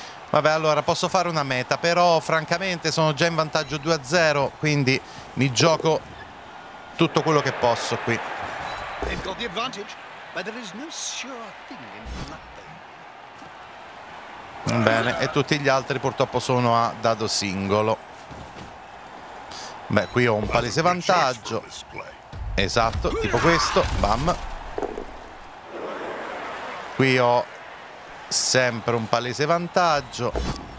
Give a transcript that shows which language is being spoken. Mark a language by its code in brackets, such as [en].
[it] Vabbè, allora posso fare una meta, però francamente sono già in vantaggio 2-0, quindi mi gioco tutto quello che posso qui. [en] They've got the advantage, but there is no sure thing in luck. [it] Bene, e tutti gli altri purtroppo sono a dado singolo. Beh, qui ho un palese vantaggio. Esatto, tipo questo, bam. Qui ho sempre un palese vantaggio.